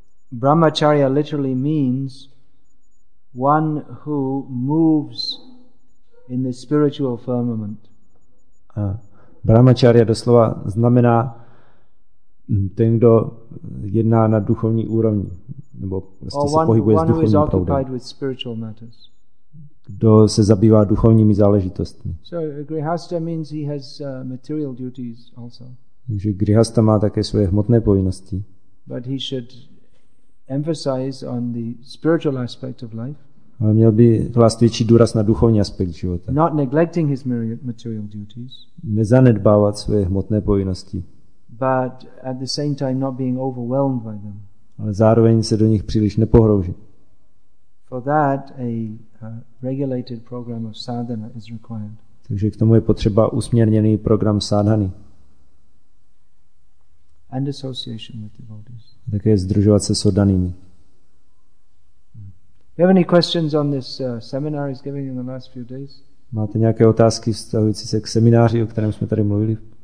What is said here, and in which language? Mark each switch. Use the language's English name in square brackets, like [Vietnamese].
[English] Brahmacharya literally means one who moves in the spiritual firmament. [Czech] Brahmacharya doslova znamená ten, kdo jedná na duchovní úrovni, nebo prostě se pohybuje s duchovním proudem. [English] Or one who is occupied with spiritual matters. [Czech] Kdo se zabývá duchovními záležitostmi. [English] So grihasta means he has material duties also. [Czech] Takže grihasta má také svoje hmotné povinnosti. [English] But he should emphasize on the spiritual aspect of life. [Czech] Ale měl by klást větší důraz na duchovní aspekt života. [English] Not neglecting his material duties. [Czech] Nezanedbávat své hmotné povinnosti. [English] But at the same time not being overwhelmed by them. [Czech] Ale zároveň se do nich příliš nepohroužit. [English] For that a regulated program of sadhana is required. [Czech] Takže k tomu je potřeba usměrněný program sadhany. [English] and association with devotees. [Czech] Také sdružovat se s oddanými. [English] You have any questions on this seminar he's giving in the last few days? [Czech] Máte nějaké otázky vztahující se k semináři, o kterém jsme tady mluvili?